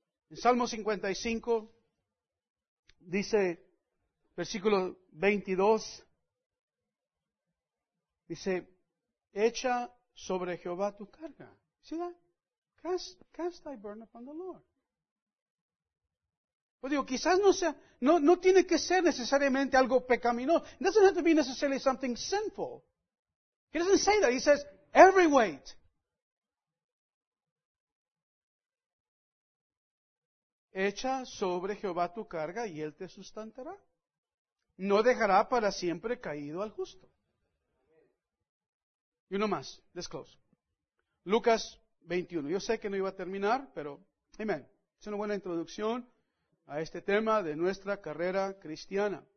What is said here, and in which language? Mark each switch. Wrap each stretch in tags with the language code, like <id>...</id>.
<es>En Salmo 55, dice, versículo 22, dice, echa sobre Jehová tu carga.</es> <en>See that? Cast thy burden upon the Lord.</en> <es>Pues digo, quizás no sea, no tiene que ser necesariamente algo pecaminoso.</es> <en>It doesn't have to be necessarily something sinful. He doesn't say that. He says, every weight.</en> <es>Echa sobre Jehová tu carga y Él te sustentará. No dejará para siempre caído al justo. Y uno más,</es> <en>let's close.</en> <es>Lucas 21. Yo sé que no iba a terminar, pero amén. Es una buena introducción a este tema de nuestra carrera cristiana.</es>